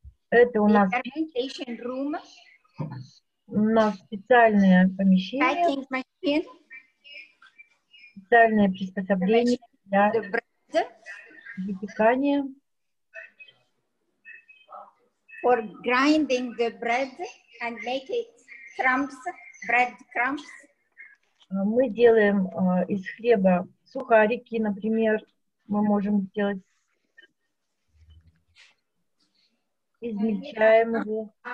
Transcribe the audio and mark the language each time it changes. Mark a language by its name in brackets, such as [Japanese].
[Russian] Это у нас специальное помещение, специальное приспособление для выпекания. [English] For grinding the bread and make it crumbs, bread crumbs. [Russian] Мы делаем из хлеба сухарики, например, мы можем сделать, измельчаем его.